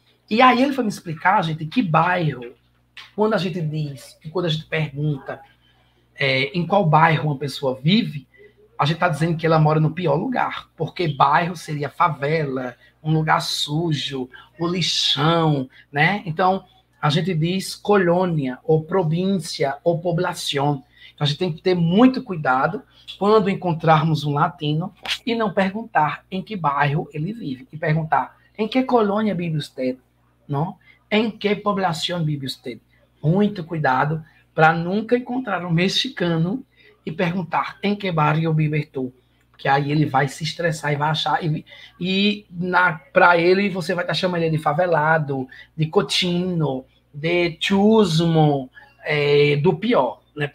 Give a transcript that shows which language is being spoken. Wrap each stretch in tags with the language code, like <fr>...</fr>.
<pt>E aí ele foi me explicar, gente, que bairro, quando a gente diz, quando a gente pergunta em qual bairro uma pessoa vive, a gente está dizendo que ela mora no pior lugar, porque bairro seria favela, um lugar sujo, o lixão, né? Então, a gente diz colônia, ou província, ou população. Então, a gente tem que ter muito cuidado quando encontrarmos um latino e não perguntar em que bairro ele vive, e perguntar em que colônia vive usted, não?</pt> <es>Em que población vive usted?</es> <pt>Muito cuidado para nunca encontrar um mexicano e perguntar em que bairro vive tu, que aí ele vai se estressar e vai achar, e para ele você vai estar chamando ele de favelado, de cochino, de chusmo, do pior, né?</pt>